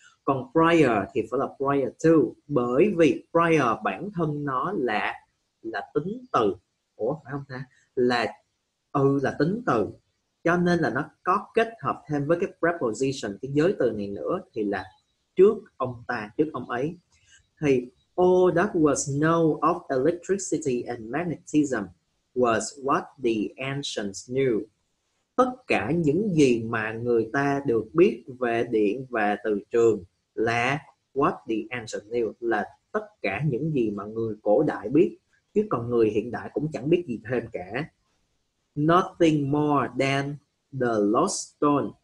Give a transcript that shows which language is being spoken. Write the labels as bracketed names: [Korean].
[Vietnamese] Còn prior thì phải là prior to, bởi vì prior bản thân nó là tính từ. Ủa phải không ta? Là Ừ, là tính từ, cho nên là nó có kết hợp thêm với cái preposition, cái giới từ này nữa, thì là trước ông ta, trước ông ấy. [English] Thì all that was known of electricity and magnetism was what the ancients knew. [Vietnamese] Tất cả những gì mà người ta được biết về điện và từ trường là [English] what the ancient knew, [Vietnamese] là tất cả những gì mà người cổ đại biết, chứ còn người hiện đại cũng chẳng biết gì thêm cả. [English] Nothing more than the lost stone.